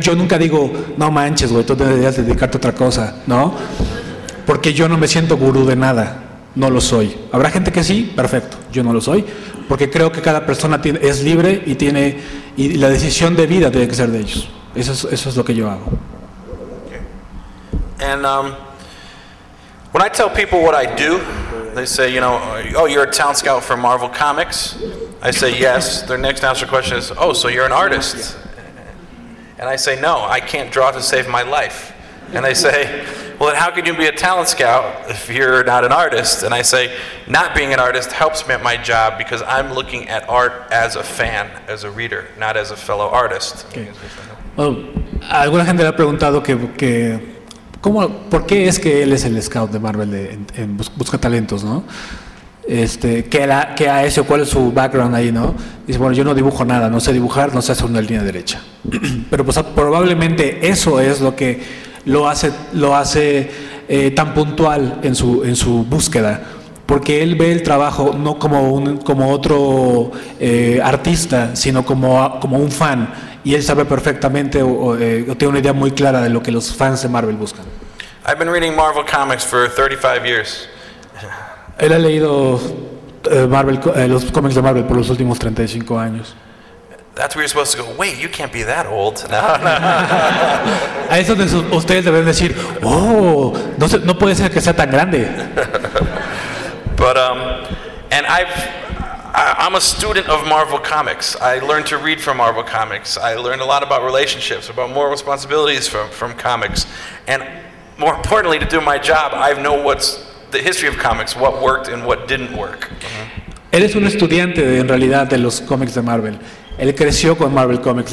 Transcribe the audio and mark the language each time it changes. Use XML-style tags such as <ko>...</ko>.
<es>Yo nunca digo, no manches, güey, tú deberías dedicarte a otra cosa, ¿no? Porque yo no me siento gurú de nada. No lo soy. ¿Habrá gente que sí? Perfecto. Yo no lo soy. Porque creo que cada persona es libre y tiene... Y la decisión de vida tiene que ser de ellos. Eso es lo que yo hago.</es> <en>And when I tell people what I do, they say, you know, oh, you're a talent scout for Marvel Comics. I say, yes. Their next answer question is, oh, so you're an artist. And I say, no, I can't draw to save my life. And they say, well, then how can you be a talent scout if you're not an artist? And I say, not being an artist helps me at my job because I'm looking at art as a fan, as a reader, not as a fellow artist. Okay.</en> <es>Well, alguna gente le ha preguntado que ¿cómo, por qué es que él es el scout de Marvel en Busca Talentos, ¿no? ¿Qué ha hecho? ¿Cuál es su background ahí, ¿no? Dice, bueno, yo no dibujo nada, no sé dibujar, no sé hacer una línea derecha. Pero pues probablemente eso es lo que lo hace tan puntual en su búsqueda, porque él ve el trabajo no como otro artista, sino como un fan. Y él sabe perfectamente o tiene una idea muy clara de lo que los fans de Marvel buscan.</es> <en>I've been reading Marvel Comics for 35 years.</en> <es>Él ha leído los cómics de Marvel por los últimos 35 años.</es> <en>That's where you're supposed to go, wait, you can't be that old. No.</en> <es>A eso de ustedes deben decir, oh, no puede ser que sea tan grande.</es> <en>But, and I'm a student of Marvel Comics. I learned to read from Marvel Comics. I learned a lot about relationships, about moral responsibilities from comics. And more importantly, to do my job, I know what's the history of comics, what worked and what didn't work.</en> <es>Él es un estudiante, en realidad, de los cómics de Marvel. Él creció con Marvel Comics.</es>